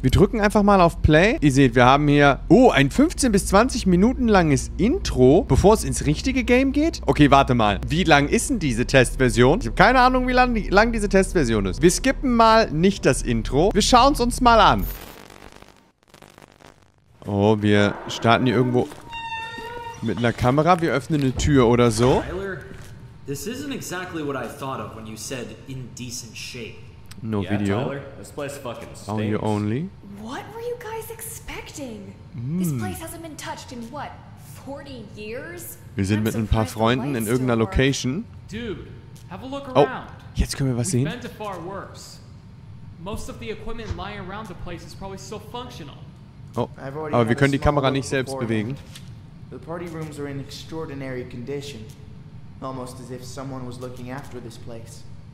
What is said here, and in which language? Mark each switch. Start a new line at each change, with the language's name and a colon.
German: Wir drücken einfach mal auf Play. Ihr seht, wir haben hier, oh, ein 15 bis 20 Minuten langes Intro, bevor es ins richtige Game geht. Okay, warte mal. Wie lang ist denn diese Testversion? Ich habe keine Ahnung, wie lang diese Testversion ist. Wir skippen mal nicht das Intro. Wir schauen es uns mal an. Oh, wir starten hier irgendwo mit einer Kamera. Wir öffnen eine Tür oder so.
English: This isn't exactly what I thought of when you said in decent shape. No yeah, video. This place fucking stinks. Audio only. What were you guys expecting? Mm. This place hasn't been touched in what, 40 years?
German: Wir sind mit ein paar Freunden in irgendeiner Location.
English: Dude, have a look around.
German: Oh, jetzt können wir was sehen.
English: We've been to far worse. Most of the equipment lying around the place is probably still functional.
German: Oh, aber wir können die Kamera nicht selbst bewegen.
English: The party rooms are in extraordinary condition. Almost as if someone was looking after this place.